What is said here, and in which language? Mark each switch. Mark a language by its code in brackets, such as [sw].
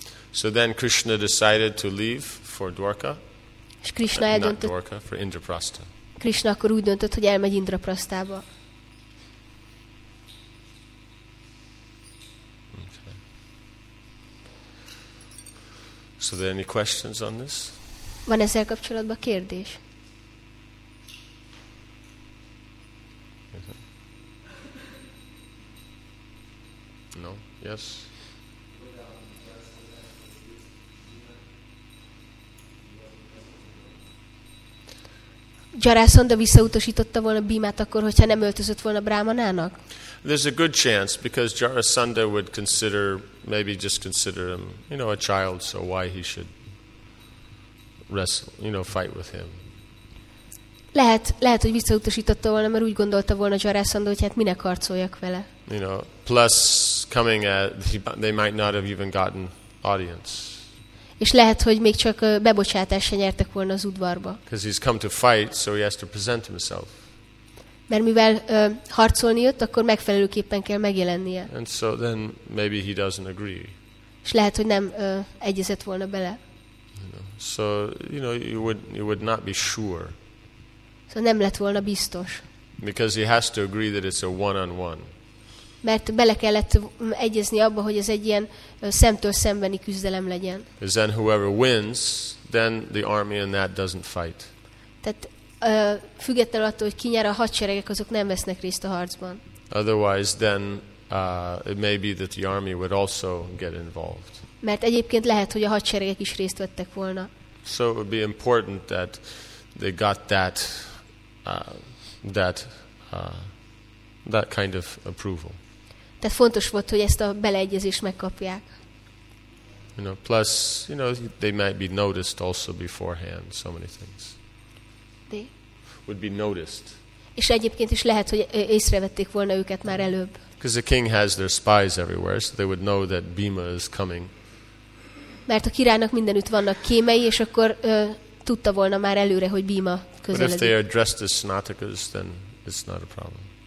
[en] So then Krishna decided to leave for Dwarka. [hu] És Krishna eldöntött, [en] Dwarka, for Indraprastha. [hu] Krishna akkor úgy döntött, hogy elmegy Indraprasthába. [en] Okay. So there any questions on this? [hu] Van ezzel kapcsolatban kérdés? [en] No, yes. [hu] Jarasandha visszautasította volna Bhimát akkor, hogyha nem öltözött volna Brahmanának? [en] There's a good chance because Jarasandha would consider maybe just consider him, you know, a child, so why he should wrestle, you know, fight with him. [hu] Lehet, hogy visszautasította volna, mert úgy gondolta volna Jarasandha, hogy hát minek harcoljak vele. [en] You know, plus coming at they might not have even gotten audience. [hu] És lehet, hogy még csak bebocsátást se nyertek volna az udvarba. [en] Because he's come to fight, so he has to present himself. [hu] Mert mivel harcolni jött, akkor megfelelőképpen kell megjelennie. [en] And so then maybe he doesn't agree. [hu] És lehet, hogy nem egyezett volna bele. [en] You know, so you know you would not be sure. [hu] So nem lett volna biztos. [en] Because he has to agree that it's a one-on-one. [hu] Mert bele kellett egyezni abba, hogy ez egy ilyen szemtől szembeni küzdelem legyen. [en] Because then whoever wins, then the army in that doesn't fight. [hu] Tehát függetlenül attól, hogy ki nyer, a hadseregek azok nem vesznek részt a harcban. [en] Otherwise, then it may be that the army would also get involved. [hu] Mert egyébként lehet, hogy a hadseregek is részt vettek volna. [en] So it would be important that they got that that kind of approval. [hu] Tehát fontos volt, hogy ezt a beleegyezést megkapják. [en] You know, plus, you know, they might be noticed also beforehand, so many things. [hu] De? [en] Would be noticed. [hu] És egyébként is lehet, hogy észrevették volna őket már előbb. [en] Because the king has their spies everywhere, so they would know that Bhima is coming. [hu] Mert a királynak mindenütt vannak kémei, és akkor tudta volna már előre, hogy Bhima közeledik. [en] But if they are dressed as snatakas, then it's not a problem.